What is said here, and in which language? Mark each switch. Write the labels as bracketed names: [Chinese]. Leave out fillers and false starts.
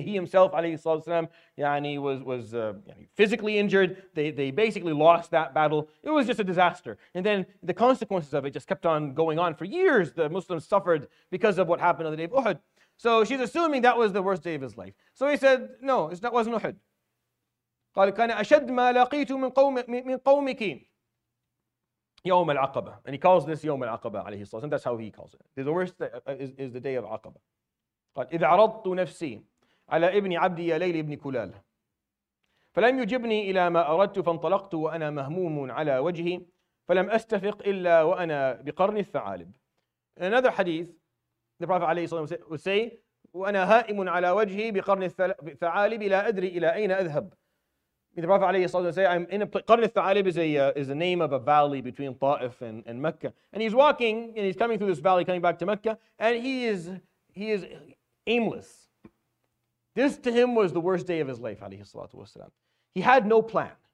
[English] He himself, alayhi salatu wasalam, physically injured. They basically lost that battle. It was just a disaster. And then the consequences of it just kept on going on for years. The Muslims suffered because of what happened on the day of Uhud. So she's assuming that was the worst day of his life. So he said, no, that wasn't Uhud. [Arabic] قال كان أشد ما لقيت من قوم من قومك يوم العقبة. [English] And he calls this [Arabic] يوم العقبة عليه الصلاة والسلام. [English] That's how he calls it. The worst is the day of عقبة. [Arabic] قال إذا عرضت نفسي على ابن عبدي ليل ابن كلال فلم يجبني إلى ما أردت فانطلقت وأنا مهموم على وجهي فلم أستفق إلا وأنا بقرن الثعالب. [English] Another hadith, the Prophet [Arabic] عليه الصلاة والسلام [English] would say, [Arabic] وأنا هائم على وجهي بقرن الثعالب لا أدري إلى أين أذهب. [English] The Prophet alayhi salatu wasalam, I'm in a place. Qarn al-Thalib is the name of a valley between Ta'if and Mecca. And he's walking and he's coming through this valley, coming back to Mecca, and he is aimless. This to him was the worst day of his life, alayhi salatu wasalam. He had no plan.